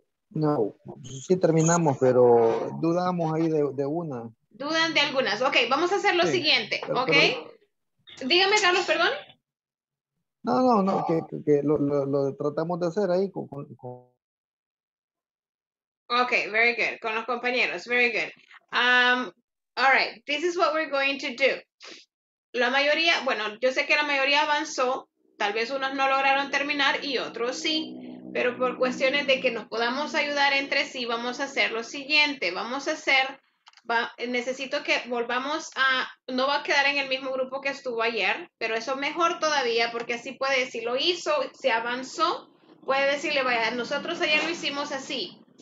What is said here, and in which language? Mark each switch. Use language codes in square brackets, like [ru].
[es] No, sí terminamos, pero dudamos ahí de una. Dudan de algunas. Okay, vamos a hacer lo siguiente, okay? Pero... Dígame, Carlos, perdón. No, que lo tratamos de hacer ahí con... [en] Okay, very good. [es] Con los compañeros, [en] very good. All right, this is what we're going to do. [es] La mayoría, bueno, yo sé que la mayoría avanzó, tal vez unos no lograron terminar y otros sí, pero por cuestiones de que nos podamos ayudar entre sí, vamos a hacer lo siguiente. Vamos a hacer, necesito que volvamos a, no va a quedar en el mismo grupo que estuvo ayer, pero eso mejor todavía porque así puede, si lo hizo, si avanzó, puede decirle, vaya, nosotros ayer lo hicimos así.